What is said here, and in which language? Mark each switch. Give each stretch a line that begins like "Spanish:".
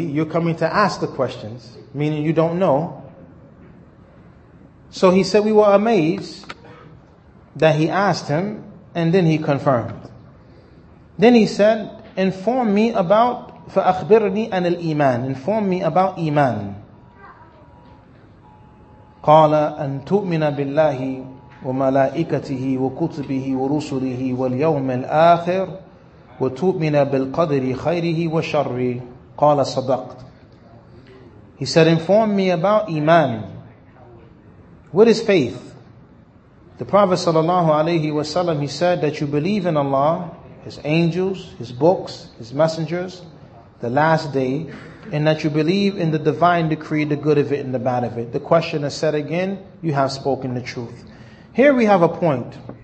English: You're coming to ask the questions, meaning you don't know. So he said, "We were amazed that he asked him, and then he confirmed." Then he said, "Inform me about
Arabic: فَأَخْبِرْنِي أَنِ الْإِيمَانِ
English: Inform me about Iman.
Arabic: قَالَ أَن تُؤْمِنَ بِاللَّهِ وَمَلَائِكَتِهِ وَكُتُبِهِ وَرُسُلِهِ وَالْيَوْمِ الْآخِرِ وَتُؤْمِنَ بِالْقَدْرِ خَيْرِهِ وَشَرِّهِ قَالَ صَدَقْتْ
English: He said, "Inform me about Iman. What is faith?" The Prophet sallallahu alaihi wasallam, he said that you believe in Allah, His angels, His books, His messengers, the last day, and that you believe in the divine decree, the good of it and the bad of it. The questioner said again, "You have spoken the truth." Here we have a point.